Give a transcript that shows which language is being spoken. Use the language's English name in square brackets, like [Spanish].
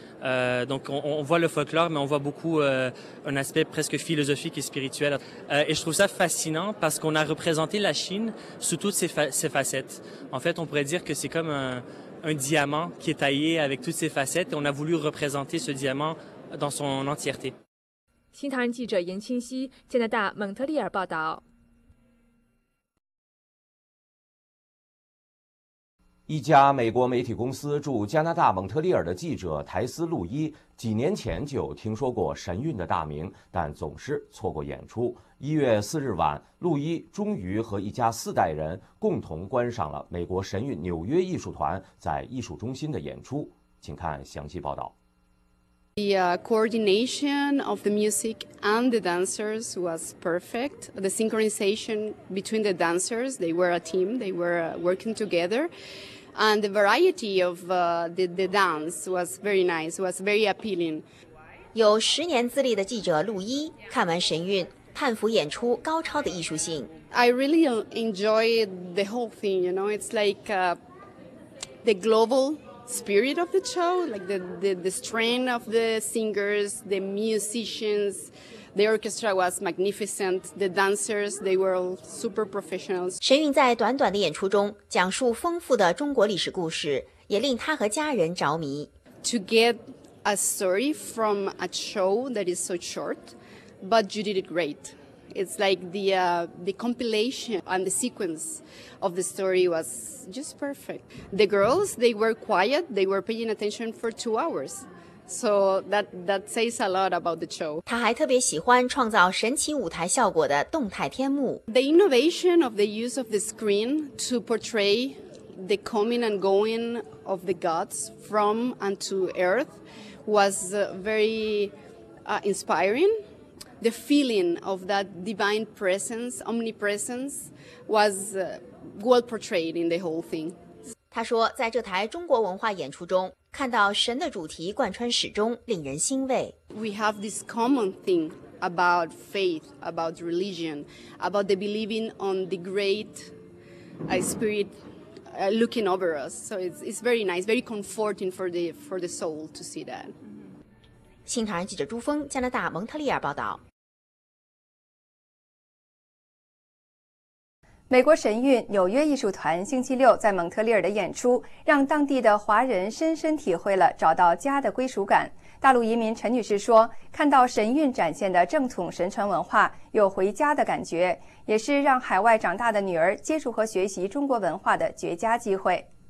[French] Donc on voit le folklore, mais on voit beaucoup un aspect presque philosophique et spirituel. Et je trouve ça fascinant parce qu'on a représenté la Chine sous toutes ses facettes. En fait, on pourrait dire que c'est comme un diamant qui est taillé avec toutes ses facettes et on a voulu représenter ce diamant dans son entièreté. [Chinese] 新唐人记者严清溪，加拿大蒙特利尔报道。一家美国媒体公司驻加拿大蒙特利尔的记者台斯·路伊几年前就听说过神韵的大名，但总是错过演出。 1月4日晚，路伊终于和一家四代人共同观赏了美国神韵纽约艺术团在艺术中心的演出，请看详细报道。 [English] The coordination of the music and the dancers was perfect. The synchronization between the dancers, they were a team, they were working together. And the variety of the dance was very nice, was very appealing. [Chinese] 有十年资历的记者路伊看完神韵，叹服演出高超的艺术性。 [English] I really enjoy the whole thing, you know, it's like the globalspirit of the show, like the strength of the singers, the musicians, the orchestra was magnificent, the dancers, they were all super professionals. [Chinese] 神韵在短短的演出中讲述丰富的中国历史故事，也令他和家人着迷。 [English] To get a story from a show that is so short, but you did it great. It's like the compilation and the sequence of the story was... just perfect. The girls, they were quiet. They were paying attention for 2 hours. So that says a lot about the show. [Chinese] 他还特别喜欢创造神奇舞台效果的动态天幕。 [English] The innovation of the use of the screen to portray the coming and going of the gods from and to Earth was very inspiring. The feeling of that divine presence, omnipresence, was... well portrayed in the whole thing. [Chinese] 他说在这台中国文化演出中看到神的主题贯穿始终，令人欣慰。 [English] We have this common thing about faith, about religion, about the believing on the great spirit looking over us. So it's very nice, very comforting for the soul to see that. [Chinese] 新唐人记者朱峰，加拿大蒙特利尔报道。美国神韵纽约艺术团星期六在蒙特利尔的演出，让当地的华人深深体会了找到家的归属感。大陆移民陈女士说，看到神韵展现的正统神传文化，有回家的感觉，也是让海外长大的女儿接触和学习中国文化的绝佳机会。